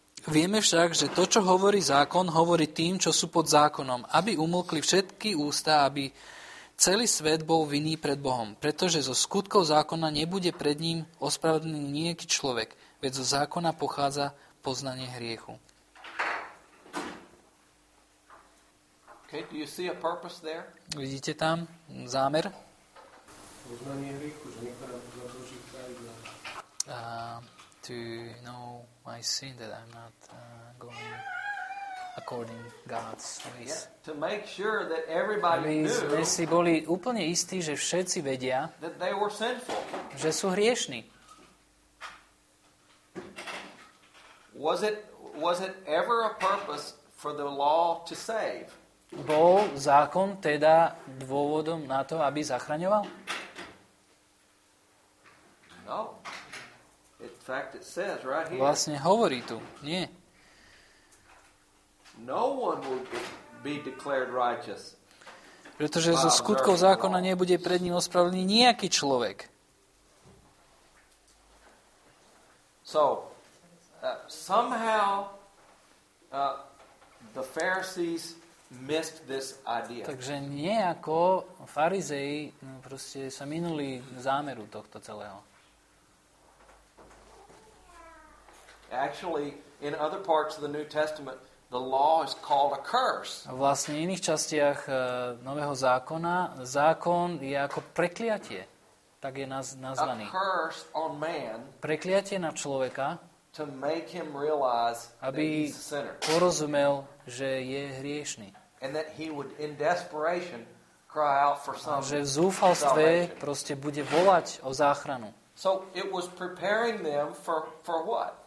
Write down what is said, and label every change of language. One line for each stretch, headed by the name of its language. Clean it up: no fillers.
Slovak: Vieme však, že to, čo hovorí zákon, hovorí tým, čo sú pod zákonom, aby umlkli všetky ústa, aby celý svet bol vinný pred Bohom. Pretože zo skutkov zákona nebude pred ním ospravedlnený nejaký človek, veď zo zákona pochádza poznanie hriechu.
English: Okay, do you see a purpose there?
Slovak: Vidíte tam zámer? Poznanie hriechu, že niekto nám zaručí pravidla.
English: To know my sin, that I'm not going according God's ways. Yeah, to make sure that everybody knew.
Slovak: Aby sme si boli úplne istí, že všetci vedia,
English: that they were sinful.
Slovak: Že sú hriešni.
English: Was it ever a purpose for the law to save?
Slovak: Bol zákon teda dôvodom na to, aby zachraňoval?
English: No. In fact, it says right here.
Slovak: Vlastne hovorí tu. Nie.
English: No one would be declared righteous.
Slovak: Pretože zo skutkov zákona nebude pred ním ospravedlnený nejaký človek.
English: So somehow the Pharisees missed this idea.
Slovak: Takže nejako farizei proste sa minuli zámeru tohto celého.
English: Actually, in other parts of the New Testament, the law is called a curse.
Slovak: Vlastne v iných častiach Nového zákona zákon je ako prekliatie, tak je nazvaný.
English: A curse on man.
Slovak: Prekliatie na človeka.
English: To make him realize that he's a sinner.
Slovak: Aby porozumel, že je hriešny.
English: And that he would in desperation cry out for some.
Slovak: Že v zúfalstve proste bude volať o záchranu.
English: So it was preparing them for what?